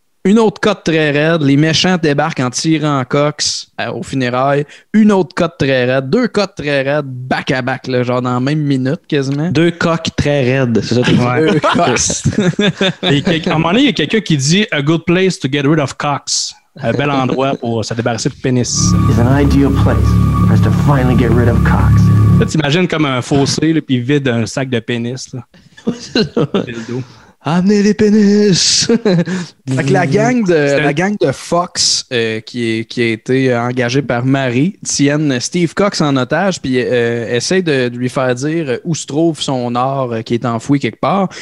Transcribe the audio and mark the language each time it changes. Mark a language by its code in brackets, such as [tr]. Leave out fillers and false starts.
[fr] Une autre cote très raide. Les méchants débarquent en tirant Cox aux funérailles. Une autre cote très raide. Deux cotes très raides, back à back, là, genre dans la même minute quasiment. Deux coques très raides. C'est ça, ouais. Deux Cox. À un moment donné, il y a quelqu'un qui dit « [en] A good place to get rid of Cox ». [fr] Un bel endroit pour se débarrasser de pénis. [en] It's an ideal place for us to finally get rid of Cox. [fr] Là, t'imagines comme un fossé, là, puis vide un sac de pénis. Là. Amenez les pénis! Fait que la gang de Fox qui a été engagée par Marie tiennent Steve Cox en otage, puis essaie de lui faire dire où se trouve son or qui est enfoui quelque part.